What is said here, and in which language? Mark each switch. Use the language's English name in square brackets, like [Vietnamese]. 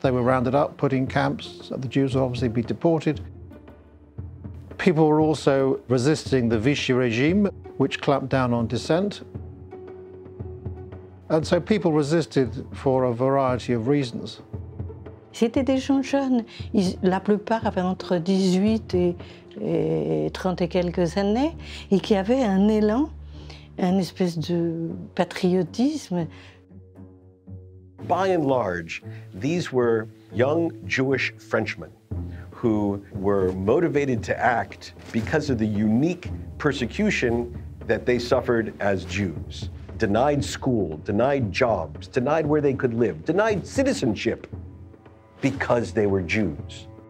[English] They were rounded up, put in camps. So the Jews would obviously be deported. People were also resisting the Vichy regime, which clamped down on dissent. And so people resisted for a variety of reasons. [French] C'était des gens jeunes. La plupart avaient entre 18 et 30 et quelques années, et qui avaient un élan. An espèce de patriotisme. [English] By and large, these were young Jewish Frenchmen who were motivated to act because of the unique persecution that they suffered as Jews. Denied school, denied jobs, denied where they could live, denied citizenship because they were Jews.